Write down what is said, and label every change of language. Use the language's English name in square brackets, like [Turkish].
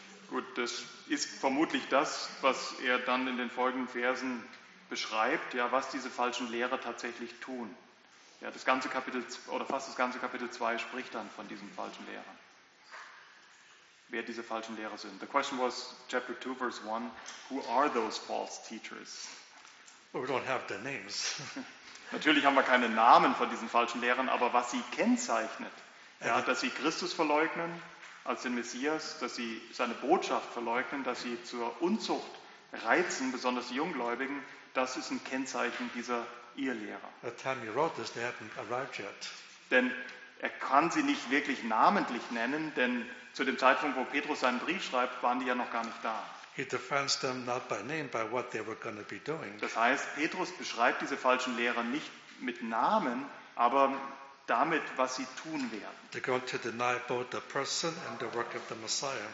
[German] Gut, das ist vermutlich das, was er dann in den folgenden Versen beschreibt, ja, was diese falschen Lehrer tatsächlich tun. Ja, das ganze Kapitel oder fast das ganze Kapitel 2 spricht dann von diesen falschen Lehrern. Wer diese falschen Lehrer sind. [English] The question was chapter 2 verse 1, who are those false teachers? We don't have the names. [German] Natürlich haben wir keine Namen von diesen falschen Lehrern, aber was sie kennzeichnet, ja, dass sie Christus verleugnen als den Messias, dass sie seine Botschaft verleugnen, dass sie zur Unzucht reizen, besonders die Junggläubigen, das ist ein Kennzeichen dieser Irrlehrer. [English] At the time he wrote this, they haven't arrived yet. [German] Denn er kann sie nicht wirklich namentlich nennen, denn zu dem Zeitpunkt, wo Petrus seinen Brief schreibt, waren die ja noch gar nicht da. [English] He defines them not by name, by what they were going to be doing. [German] Das heißt, Petrus beschreibt diese falschen Lehrer nicht mit Namen, aber damit, was sie tun werden. [English] They're going to deny both the person and the work of the Messiah.